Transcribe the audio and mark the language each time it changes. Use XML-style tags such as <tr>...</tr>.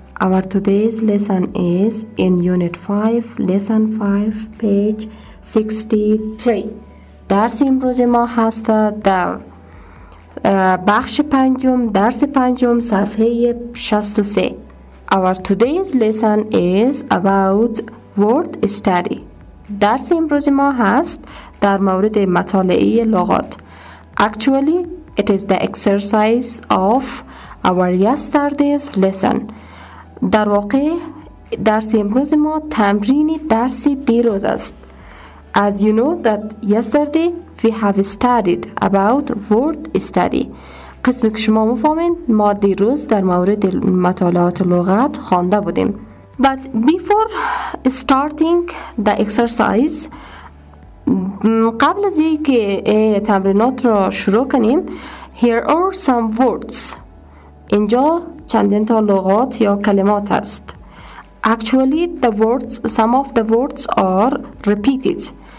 <en>Our today's lesson is in Unit 5, Lesson 5, page 63.</en> <fa>Dars imroz ma hast dar بخش پنجم درس پنجم صفحه 63.</fa> <en>Our today's lesson is about word study.</en> <fa>درس امروز ما هست در مورد مطالعه لغات.</fa> <en>Actually, it is the exercise of our yesterday's lesson.</en> <fa>در واقع درس امروز ما تمرین درس دیروز است.</fa> <en>As you know that yesterday we have studied about word study.</en> <fa>قسمی که شما مفهمید ما دیروز در مورد مطالعات لغت خوانده بودیم.</fa> <en>But before starting the exercise,</en> <fa>قبل از اینکه تمرینات را شروع کنیم,</fa> <en>here are some words.</en> <fa>اینجا چندین تا لغات یا کلمات است.</fa> <en>Actually, the words, some of the words are repeated.</en>